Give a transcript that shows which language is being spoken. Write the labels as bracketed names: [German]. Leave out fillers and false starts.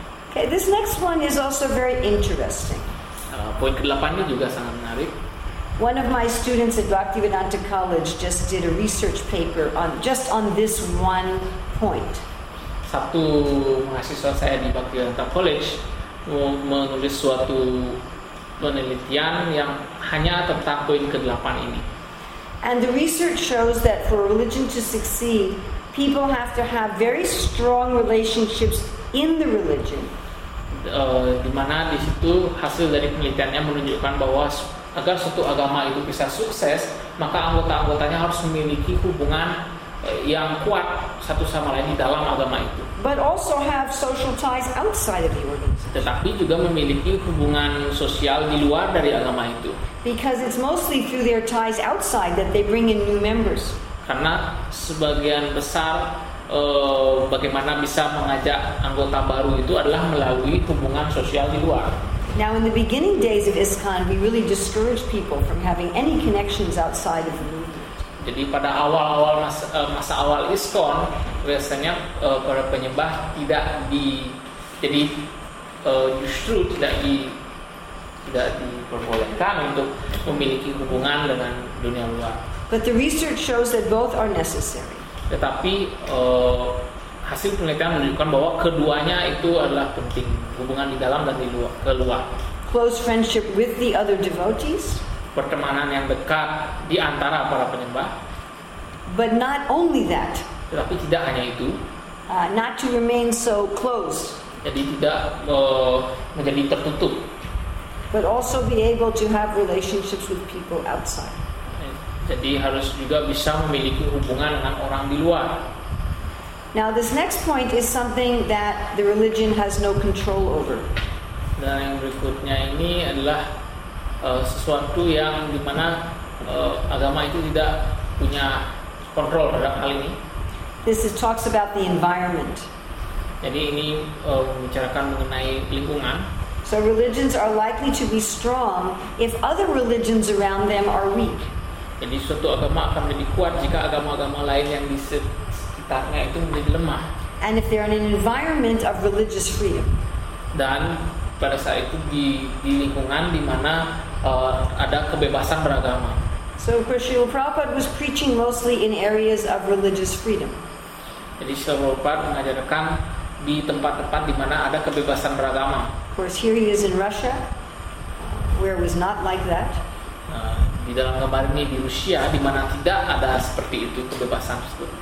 [English] Okay, this next one is also very interesting. [Indonesian] Poin ke-8 ini juga sangat menarik. [English] One of my students at Bhaktivedanta College just did a research paper on this one point. [Indonesian] Satu mahasiswa saya di Bhaktivedanta College menulis suatu penelitian yang hanya tentang poin ke-8 ini. [English] And the research shows that for religion to succeed, people have to have very strong relationships in the religion. [Indonesian] Di mana di situ hasil dari penelitiannya menunjukkan bahwa agar suatu agama itu bisa sukses, maka anggota-anggotanya harus memiliki hubungan yang kuat satu sama lain di dalam agama itu. [English] But also have social ties outside of the organization. [Indonesian] Tetapi juga memiliki hubungan sosial di luar dari agama itu. [English] Because it's mostly through their ties outside that they bring in new members. [Indonesian] Karena sebagian besar bagaimana bisa mengajak anggota baru itu adalah melalui hubungan sosial di luar. [English] Now in the beginning days of ISKCON, we really discouraged people from having any connections outside of the movement. [Indonesian] Jadi pada awal-awal masa awal ISKCON, biasanya para penyembah tidak di jadi justru tidak diperbolehkan untuk memiliki hubungan dengan dunia luar. [English] But the research shows that both are necessary. [Indonesian] Tetapi hasil penelitian menunjukkan bahwa keduanya itu adalah penting, hubungan di dalam dan di luar, keluar. [English] Close friendship with the other devotees. [Indonesian] Pertemanan yang dekat di antara para penyembah. [English] But not only that. [Indonesian] Tetapi tidak hanya itu. [English] Not to remain so close. [Indonesian] Jadi tidak menjadi tertutup. [English] But also be able to have relationships with people outside. [Indonesian] Jadi harus juga bisa memiliki hubungan dengan orang di luar. [English] Now this next point is something that the religion has no control over. [Indonesian] Dan yang berikutnya ini adalah sesuatu yang dimana agama itu tidak punya kontrol terhadap hal ini. [English] This is talks about the environment. [Indonesian] Jadi ini membicarakan mengenai lingkungan. [English] So religions are likely to be strong if other religions around them are weak. [Indonesian] Jadi suatu agama akan lebih kuat jika agama-agama lain yang di sekitarnya itu menjadi lemah. [English] And if they're in an environment of religious freedom. [Indonesian] Dan pada saat itu di lingkungan di mana ada kebebasan beragama. [English] So Srila Prabhupada was preaching mostly in areas of religious freedom. [Indonesian] Jadi Srila Prabhupada mengajarkan di tempat-tempat di mana ada kebebasan beragama. [English] Of course here he is in Russia, where it was not like that. [Indonesian] Di dalam gambar ini di Rusia di mana tidak ada seperti itu kebebasan tersebut.